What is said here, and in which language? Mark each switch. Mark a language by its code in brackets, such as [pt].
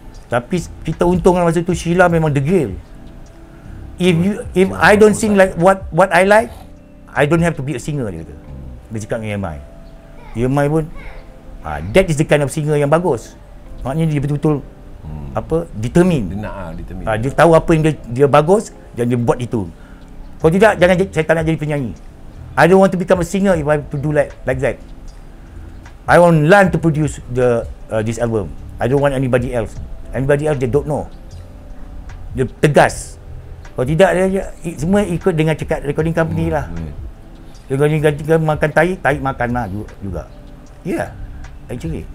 [ms] Tapi kita untung lah masa tu, Sheila memang degil. [en] If I don't sing like what I like, I don't have to be a singer, [ms] dia kata. Dia cakap dengan EMI. EMI pun, [en] that is the kind of singer [ms] yang bagus. Maknanya dia betul-betul determined. Dia nak determine. Dia tahu apa yang dia bagus dan dia buat itu. Kalau tidak, saya tak nak jadi penyanyi. [en] I don't want to become a singer if I have to do like that. I want learn to produce this album. I don't want anybody else. Anybody else, they don't know. [ms] Dia tegas. Kalau tidak, semua ikut dengan cakap recording company lah. Recording company makan taik makan lah juga. Actually.